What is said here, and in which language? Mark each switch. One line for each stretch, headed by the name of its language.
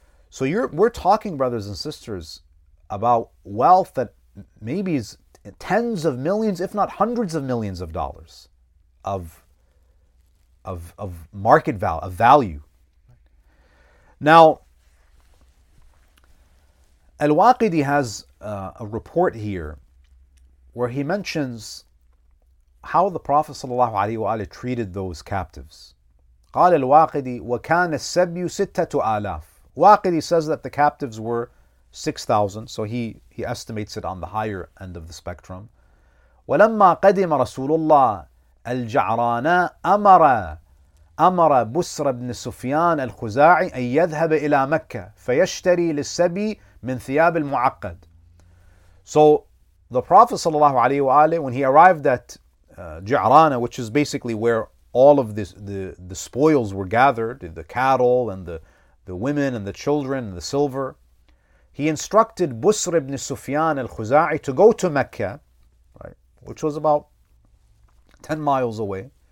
English: So we're talking, brothers and sisters, about wealth that maybe is tens of millions, if not hundreds of millions of dollars of market value, of value. Now, Al-Waqidi has a report here where he mentions how the Prophet sallallahu alaihi wa alihi treated those captives.
Arabic: قال الواقدي وكان السبي ستة آلاف.
English: Waqidi says that the captives were 6,000, so he estimates it on the higher end of the spectrum.
Arabic: ولما قدم رسول الله الجعرانا أمر بسر بن سفيان الخزاعي أن يذهب إلى مكة فيشتري للسبي من ثياب المعقد.
English: So the Prophet
Arabic: صلى الله عليه وآله,
English: when he arrived at جعرانا, which is basically where all of this, the spoils were gathered, the cattle and the women and the children and the silver, he instructed Busr ibn Sufyan al-Khuza'i to go to Mecca, right, which was about 10 miles away.